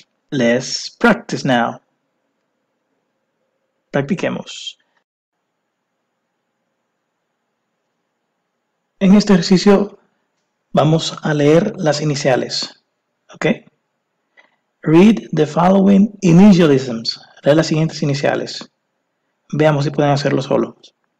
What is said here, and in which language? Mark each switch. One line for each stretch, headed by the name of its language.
English: Let's practice now.
Spanish: Practiquemos. En este ejercicio vamos a leer las iniciales. ¿Ok?
English: Read the following initialisms.
Spanish: Lee las siguientes iniciales. Veamos si pueden hacerlo solos.